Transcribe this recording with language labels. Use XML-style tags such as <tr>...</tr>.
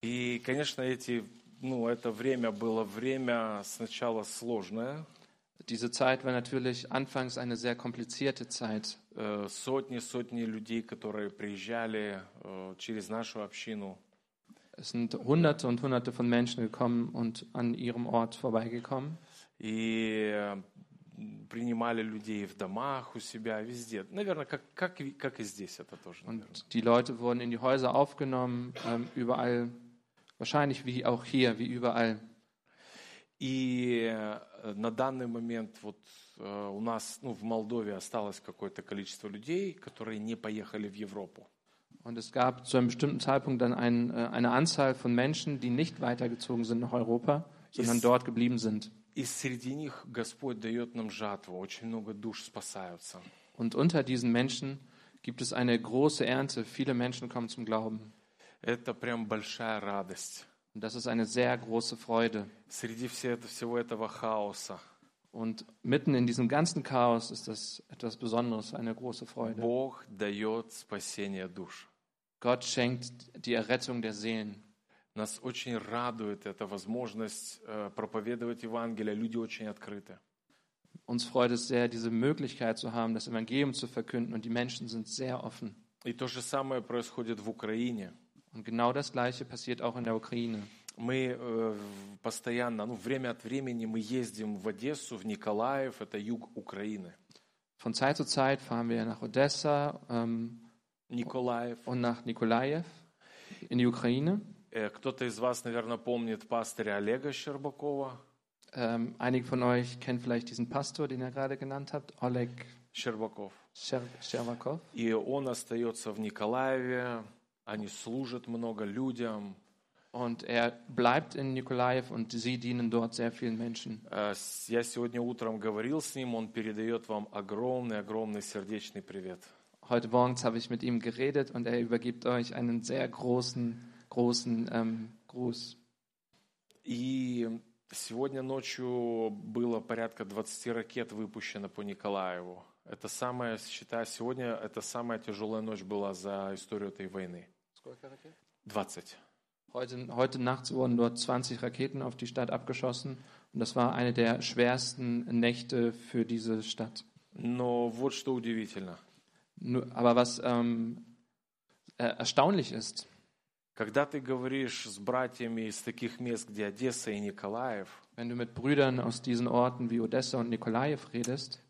<ru>конечно, эти, ну, это время было время сначала сложное.</ru> <de>Diese Zeit war natürlich anfangs eine sehr komplizierte Zeit.</de> <ru>Сотни людей, которые приезжали через нашу общину.</ru> <de>Es sind Hunderte und Hunderte von Menschen gekommen und an ihrem Ort vorbeigekommen.</de> <ru>И принимали людей в домах, у себя, везде. Наверное, как и здесь это тоже.</ru> <de>Und die Leute wurden in die Häuser aufgenommen, überall, wahrscheinlich wie auch hier, wie überall.</de> <ru>И на данный момент вот у нас, ну, в Молдове осталось какое-то количество людей, которые не поехали в Европу.</ru> <de>Und es gab zu einem bestimmten Zeitpunkt dann eine Anzahl von Menschen, die nicht weitergezogen sind nach Europa, sondern dort geblieben sind.</de> <ru>И среди них Господь дает нам жатву, очень много душ спасаются.</ru> <de>Und unter diesen Menschen gibt es eine große Ernte, viele Menschen kommen zum Glauben.</de> <ru>Это прям большая радость.</ru> <de>Und das ist eine sehr große Freude.</de> <ru>Среди всего этого хаоса.</ru> <de>Und mitten in diesem ganzen Chaos ist das etwas Besonderes, eine große Freude.</de> <ru>Бог дает спасение душ.</ru> <de>Gott schenkt die Errettung der Seelen.</de> <ru>Нас очень радует эта возможность проповедовать Евангелие. Люди очень открыты.</ru> <de>Uns freut es sehr, diese Möglichkeit zu haben, das Evangelium zu verkünden, und die Menschen sind sehr offen.</de> <ru>И то же самое происходит в Украине.</ru> <de>Und genau das Gleiche passiert auch in der Ukraine.</de> <ru>Мы постоянно, ну, время от времени мы ездим в Одессу, в Николаев, это юг Украины.</ru> <de>Von Zeit zu Zeit fahren wir nach Odessa,</de> <ru>Николаев.</ru> <de>Und nach Nikolajew in die Ukraine.</de> <ru>Кто-то из вас, наверное, помнит пастыря Олега Щербакова.</ru> <de>Einige von euch kennen vielleicht diesen Pastor, den ihr gerade genannt habt, Oleg</de> <ru>Щербаков. Щербаков. И он остается в Николаеве. Они служат много людям.</ru> <de>Und bleibt in Nikolajew, und sie dienen dort sehr vielen Menschen.</de> <ru>Я сегодня утром говорил с ним, он передает вам огромный сердечный привет.</ru> <de>Heute morgens habe ich mit ihm geredet, und übergibt euch einen sehr großen Gruß.</de> <ru>И сегодня ночью было порядка 20 ракет выпущено по Николаеву. Это самое, считаю, сегодня это самая тяжелая ночь была за историю этой войны. 20.</ru> <de>Heute nachts wurden dort 20 Raketen auf die Stadt abgeschossen, und das war eine der schwersten Nächte für diese Stadt.</de> <ru>Но вот что удивительно.</ru> <de>Aber was erstaunlich ist.</de> <ru>Когда ты говоришь с братьями из таких мест, где Одесса и Николаев,</ru> <de>wenn du mit Brüdern aus diesen Orten wie Odessa und Nikolajew redest,</de>